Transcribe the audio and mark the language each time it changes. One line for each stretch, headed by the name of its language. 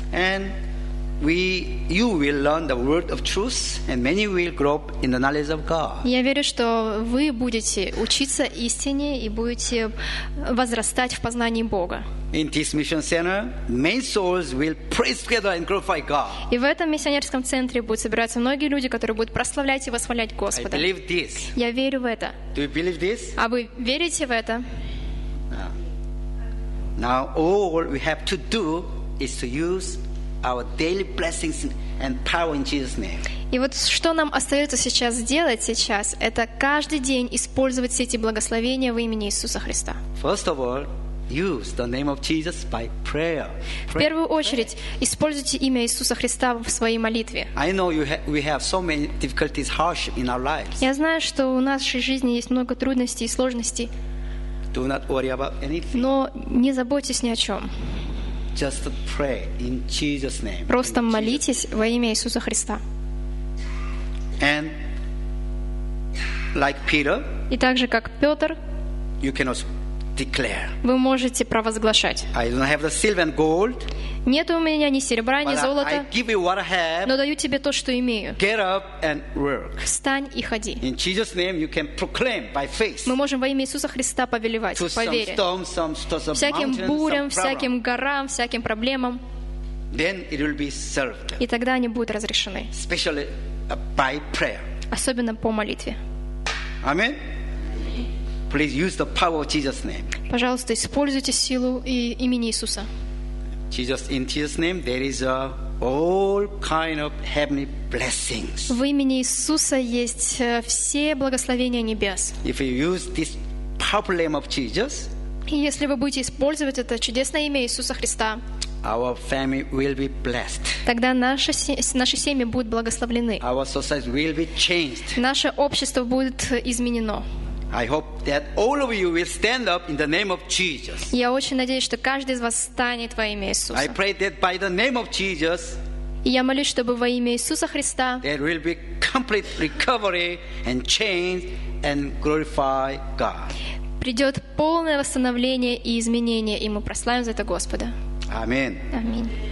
English: And you will learn the word of truth, and many will grow in the knowledge of God.
Russian: Я верю, что вы будете учиться истине и будете возрастать в познании Бога.
English: In this mission center, many souls will praise together and glorify God.
Russian: И в этом миссионерском центре будут собираться многие люди, которые будут прославлять и восхвалять Господа.
English: I believe this.
Russian: Я верю в это.
English: Do you believe this?
Russian: А вы верите в это?
English: Now all we have to do is to use our daily blessings and power in Jesus' name.
Russian: И вот что нам остается сейчас делать сейчас, это каждый день использовать все эти благословения в имени Иисуса Христа.
English: First of all, use the name of Jesus by prayer.
Russian: В первую очередь, используйте имя Иисуса Христа в своей молитве.
English: I know we have so many difficulties, hardship in our lives.
Russian: Я знаю, что у нашей жизни есть много трудностей и сложностей.
English: Do not worry about anything.
Russian: Но не заботьтесь ни о чем.
English: Just pray in Jesus' name.
Russian: Просто молитесь во имя Иисуса Христа.
English: And like Peter,
Russian: и также как Петр,
English: you can also declare.
Russian: Вы можете провозглашать.
English: I don't have the silver and gold.
Russian: Нет у меня ни серебра, ни золота.
English: I give you what I have.
Russian: Но даю тебе то, что имею.
English: Get up and work.
Russian: Встань и ходи.
English: In Jesus' name, you can proclaim by faith.
Russian: Мы можем во имя Иисуса Христа повелевать по вере.
English: Some storms,
Russian: всяким бурям, всяким горам, всяким проблемам.
English: Then it will be served.
Russian: И тогда они будут разрешены.
English: Especially by prayer.
Russian: Особенно по молитве.
English: Аминь. Please use the power of Jesus' name.
Russian: Пожалуйста, используйте силу и имени Иисуса.
English: Jesus, in Jesus' name, there is all kind of heavenly blessings.
Russian: В имени Иисуса есть все благословения небес.
English: If you use this powerful name of Jesus,
Russian: и если вы будете использовать это чудесное имя Иисуса Христа,
English: our family will be blessed.
Russian: Тогда наши семьи будут благословлены.
English: Our society will be changed.
Russian: Наше общество будет изменено.
English: I hope that all of you will stand up in the name of Jesus.
Russian: Я очень надеюсь, что каждый из вас встанет во имя Иисуса.
English: I pray that by the name of Jesus.
Russian: Я молюсь, чтобы во имя Иисуса Христа.
English: There will be complete recovery and change and glorify God.
Russian: Придет полное восстановление и изменение, и мы прославим за это Господа. Аминь. Аминь.